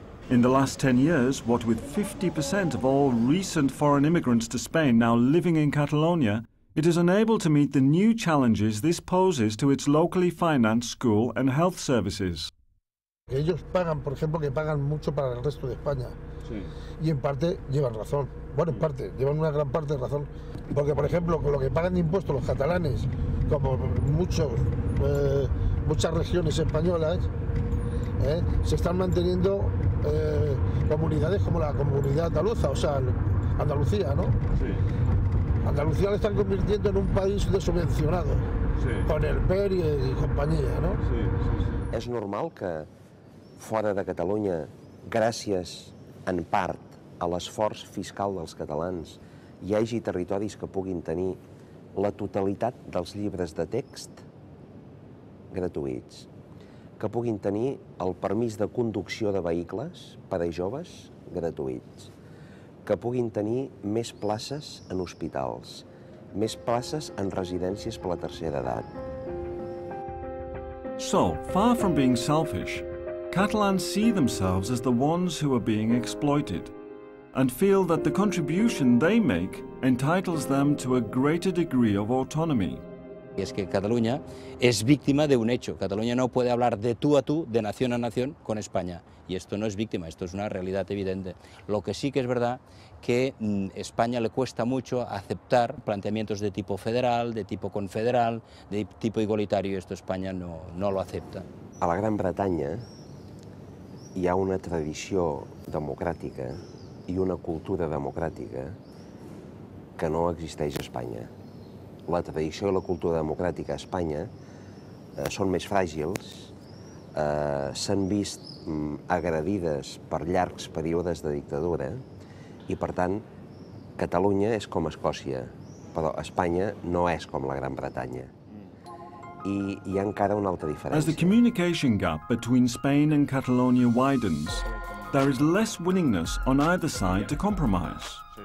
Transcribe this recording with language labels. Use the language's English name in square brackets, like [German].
[English] In the last 10 years, what with 50% of all recent foreign immigrants to Spain now living in Catalonia, it is unable to meet the new challenges this poses to its locally financed school and health services. [Spanish] Ellos pagan, por ejemplo, que pagan mucho para el resto de España. Sí. Y en parte llevan razón. Bueno, en parte, llevan una gran parte de razón. Porque, por ejemplo, con lo que pagan de impuestos los catalanes, como muchos, muchas regiones españolas, se están manteniendo comunidades como la comunidad andaluza, o sea, Andalucía, ¿no? Sí. Andalucía la están convirtiendo en un país desubvencionado, sí, con el PER y compañía, ¿no? Sí, sí, sí. ¿Es normal que fuera de [Catalan] Catalunya, gràcies en part a l'esforç fiscal dels catalans, hi hagi territoris que puguin tenir la totalitat dels llibres de text gratuïts, que puguin tenir el permís de conducció de vehicles per a joves gratuïts, que puguin tenir més places en hospitals, més places en residències per a la tercera edat? [English] So, far from being selfish, Catalans see themselves as the ones who are being exploited and feel that the contribution they make entitles them to a greater degree of autonomy. [Spanish] Es que Cataluña es víctima de un hecho. Cataluña no puede hablar de tú a tú, de nación a nación, con España. Y esto no es víctima, esto es una realidad evidente. Lo que sí que es verdad que España le cuesta mucho aceptar planteamientos de tipo federal, de tipo confederal, de tipo igualitario. Esto España no lo acepta. [Catalan] A la Gran Bretaña hi ha una tradició democràtica i una cultura democràtica que no existeix a Espanya. La tradició i la cultura democràtica a Espanya són més fràgils, s'han vist agredides per llargs períodes de dictadura i, per tant, Catalunya és com Escòcia, però Espanya no és com la Gran Bretanya. I hi ha encara una altra diferència. [English] As the communication gap between Spain and Catalonia widens, there is less willingness on either side to compromise.